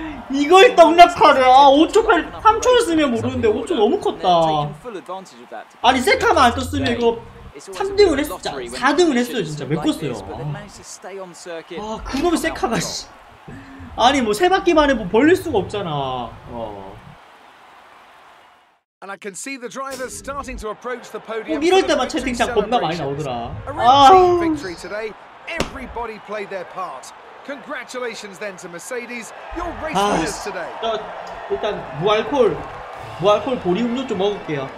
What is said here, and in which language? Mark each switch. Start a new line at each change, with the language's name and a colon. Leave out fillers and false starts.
Korean: 이걸 떡락하래. 아 5초까지 3초였으면 모르는데 5초 너무 컸다. 아니 세카만 안 떴으면 이거 3등을 했어. 진짜 4등을 했어요. 진짜 메꿨어요. 아, 아 그놈의 세카가 씨. 아니 뭐 세 바퀴만 해도 벌릴 수가 없잖아.
English: And I can see the drivers starting to approach the podium.
Korean: 이럴 때만 채팅창 겁나 많이 나오더라.
English: 아. Victory today. Everybody played their part. Congratulations then to Mercedes. Your race winners today.
Korean: 일단 무알콜. 무알콜 보리 음료 좀 먹을게요.